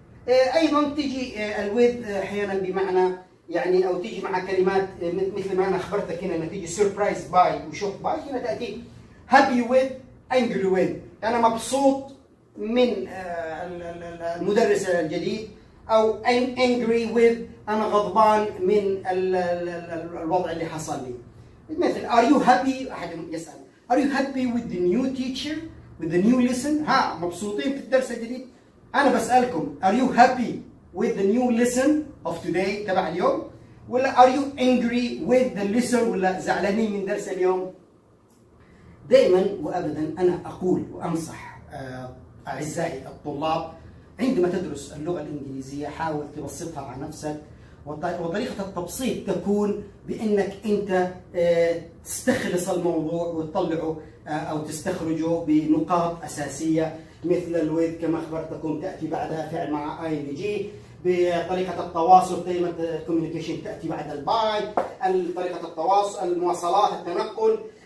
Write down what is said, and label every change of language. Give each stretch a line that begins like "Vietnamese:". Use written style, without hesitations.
Arabic: ايضا تيجي الويد احيانا بمعنى يعني، او تيجي مع كلمات مثل ما انا اخبرتك هنا، نتيجه سربرايز باي وشوك باي، هنا تاتي
English: happy with angry with،
Arabic: انا مبسوط من المدرس الجديد، او
English: angry with،
Arabic: انا غضبان من الوضع اللي حصل لي. مثل
English: are you happy،
Arabic: احد يسال
English: are you happy with the new teacher with the new lesson،
Arabic: ها مبسوطين في الدرس الجديد. انا بسالكم
English: are you happy with the new lesson of today،
Arabic: تبع اليوم، ولا
English: are you angry with the lesson،
Arabic: ولا زعلانين من درس اليوم. دائما وابدا انا اقول وانصح اعزائي الطلاب، عندما تدرس اللغه الانجليزيه حاول تبسطها على نفسك، وطريقه التبسيط تكون بانك انت تستخلص الموضوع وتطلعه او تستخرجه بنقاط اساسيه، مثل الويد كما اخبرتكم تاتي بعدها فعل مع اي ان جي، بطريقه التواصل دائما كوميونيكيشن تاتي بعد الباي، طريقه التواصل، المواصلات، التنقل،